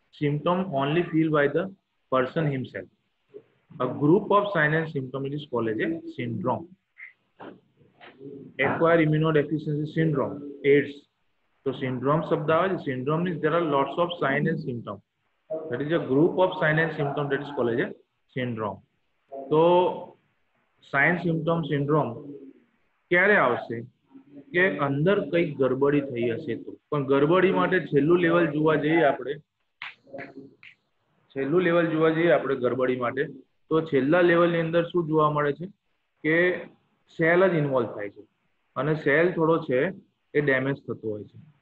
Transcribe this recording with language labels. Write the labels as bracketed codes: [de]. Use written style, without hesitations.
[en] Symptom only feel by the person himself. A group of sign and symptom it is called a syndrome. [gu] Acquire ઇમ્યુનોડેફિશિયન્સી syndrome, ads. તો syndrome શબ્દ આવે છે. [en] Syndrome means there are lots of sign and symptom. That is a group of sign and symptom that is called as a syndrome. [gu] So, sign, symptom, syndrome, ક્યારે આવશે કે અંદર કઈ ગરબડી થઈ હશે તો. પણ ગરબડી માટે છેલ્લું લેવલ જોવા જઈએ આપણે, છેલ્લું લેવલ જોવા જઈએ આપણે ગરબડી માટે, તો છેલ્લા લેવલની અંદર શું જોવા મળે છે કે સેલ જ ઇન્વોલ્વ થાય છે અને સેલ થોડો છે એ ડેમેજ થતો હોય છે.